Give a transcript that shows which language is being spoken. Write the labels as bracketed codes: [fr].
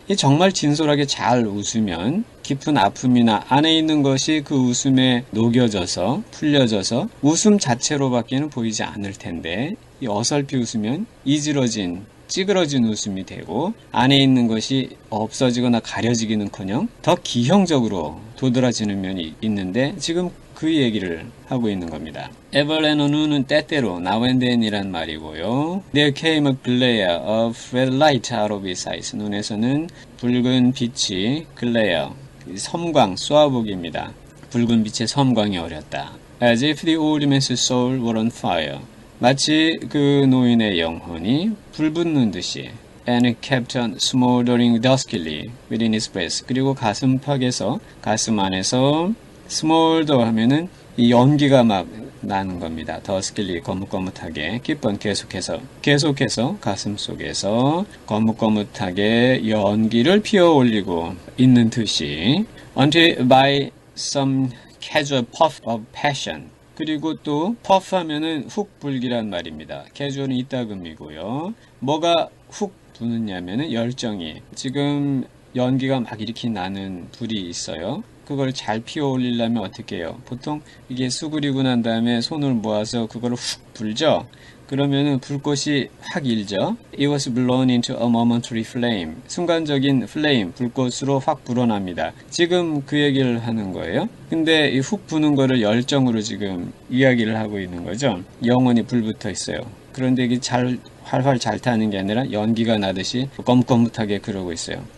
[ko] 이 정말 진솔하게 잘 웃으면 깊은 아픔이나 안에 있는 것이 그 웃음에 녹여져서 풀려져서 웃음 자체로밖에는 보이지 않을 텐데 이 어설피 웃으면 이지러진 찌그러진 웃음이 되고 안에 있는 것이 없어지거나 가려지기는커녕 더 기형적으로 도드라지는 면이 있는데 지금 그 얘기를 하고 있는 겁니다. [en] Ever and anon [ko] 은 때때로 [en] now and then [ko] 이란 말이고요. [en] There came a glare of red light out of his eyes. [ko] 눈에서는 붉은 빛이 glare. 섬광, 쏘아보기입니다. 붉은 빛의 섬광이 어렸다. [en] As if the old man's soul were on fire. [ko] 마치 그 노인의 영혼이 불붙는 듯이. [en] And kept on smoldering duskily within his breast. [ko] 그리고 가슴팍에서, 가슴 안에서 smolder 하면은 이 연기가 막 나는 겁니다. duskily, 거뭇거뭇하게, keep on 계속해서 가슴 속에서 거뭇거뭇하게 연기를 피어 올리고 있는 듯이. [en] Until by some casual puff of passion. [ko] 그리고 또 puff 하면은 훅 불기란 말입니다. casual은 이따금이고요. 뭐가 훅 부느냐면은 열정이. 지금 연기가 막 이렇게 나는 불이 있어요. 그걸 잘 피워 올리려면 어떻게 해요? 보통 이게 수그리고 난 다음에 손을 모아서 그걸 훅 불죠? 그러면은 불꽃이 확 일죠? [en] It was blown into a momentary flame. [ko] 순간적인 flame, 불꽃으로 확 불어납니다. 지금 그 얘기를 하는 거예요. 근데 이훅 부는 거를 열정으로 지금 이야기를 하고 있는 거죠? 영원히 불붙어 있어요. 그런데 이게 잘, 활활 잘 타는 게 아니라 연기가 나듯이 꺼뭇꺼뭇하게 그러고 있어요.